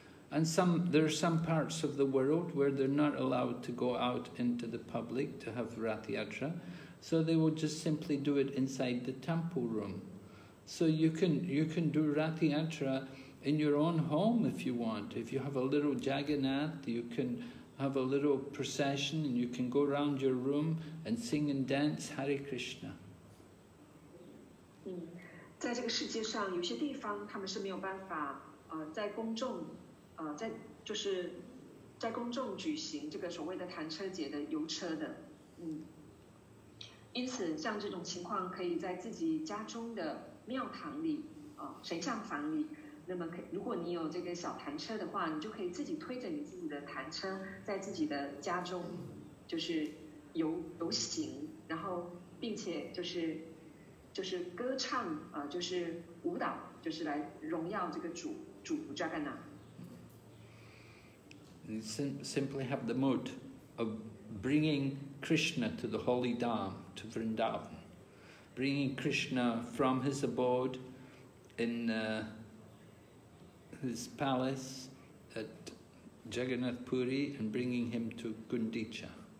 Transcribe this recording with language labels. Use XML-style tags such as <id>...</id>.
<en>And there are some parts of the world where they're not allowed to go out into the public to have Radha Yatra, so they will just simply do it inside the temple room. So you can do Radha Yatra in your own home if you want. If you have a little Jagannath, you can have a little procession and you can go around your room and sing and dance Hare Krishna.</en> <zh>在这个世界上，有些地方他们是没有办法，在公众，在就是，在公众举行这个所谓的弹车节的游车的，因此，像这种情况，可以在自己家中的庙堂里，神像房里，那么如果你有这个小弹车的话，你就可以自己推着你自己的弹车，在自己的家中，就是游行，然后并且就是歌唱就是舞蹈，就是来荣耀这个主 Jagannath。</zh> <en>You simply have the mood of bringing Krishna to the holy dham, to Vrindavan, bringing Krishna from his abode in his palace at Jagannath Puri and bringing him to Gundicha.</en>